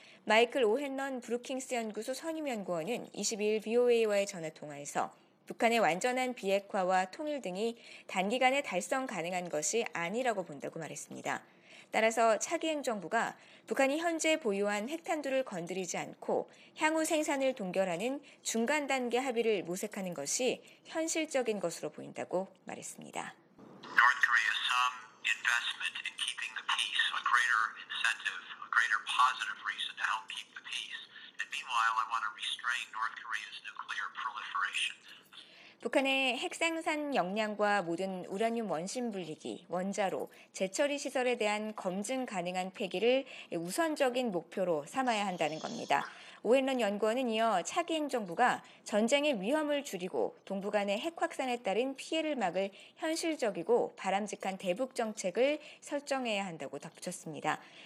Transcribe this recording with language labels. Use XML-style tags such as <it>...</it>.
<ko>마이클 오헨넌 브루킹스 연구소 선임연구원은 22일 BOA와의 전화통화에서 북한의 완전한 비핵화와 통일 등이 단기간에 달성 가능한 것이 아니라고 본다고 말했습니다. 따라서 차기 행정부가 북한이 현재 보유한 핵탄두를 건드리지 않고 향후 생산을 동결하는 중간 단계 합의를 모색하는 것이 현실적인 것으로 보인다고 말했습니다.</ko> <en>North Korea some investment in keeping the peace, a greater incentive, a greater positive reason to help keep the peace. And meanwhile, I want to restrain North Korea's nuclear proliferation.</en> <ko>북한의 핵생산 역량과 모든 우라늄 원심 불리기, 원자로, 재처리 시설에 대한 검증 가능한 폐기를 우선적인 목표로 삼아야 한다는 겁니다. 오헨런 연구원은 이어 차기 행정부가 전쟁의 위험을 줄이고 동북 간의 핵 확산에 따른 피해를 막을 현실적이고 바람직한 대북 정책을 설정해야 한다고 덧붙였습니다.</ko>